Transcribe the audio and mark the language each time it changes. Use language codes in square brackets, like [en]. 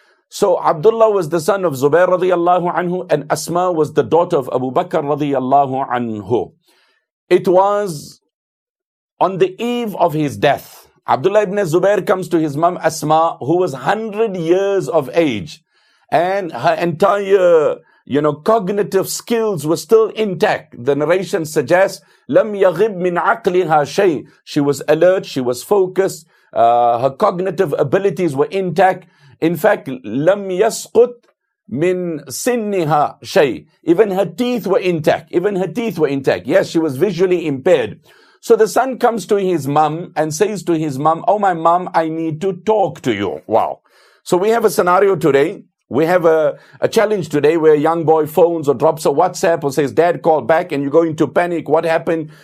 [en] So Abdullah was the son of Zubair radiyallahu anhu, and Asma was the daughter of Abu Bakr radiyallahu anhu. It was on the eve of his death. Abdullah ibn Zubair comes to his mom Asma, who was 100 years of age, and her entire, cognitive skills were still intact. The narration suggests, [ar] لم يغب من عقلها شيء. [en] She was alert, she was focused, her cognitive abilities were intact. In fact, [ar] لم يسقط من سنها شيء. [en] Even her teeth were intact. Even her teeth were intact. Yes, she was visually impaired. So the son comes to his mom and says to his mom, "Oh, my mom, I need to talk to you." Wow. So we have a scenario today. We have a challenge today where a young boy phones or drops a WhatsApp or says, "Dad, call back," and you go into panic. What happened?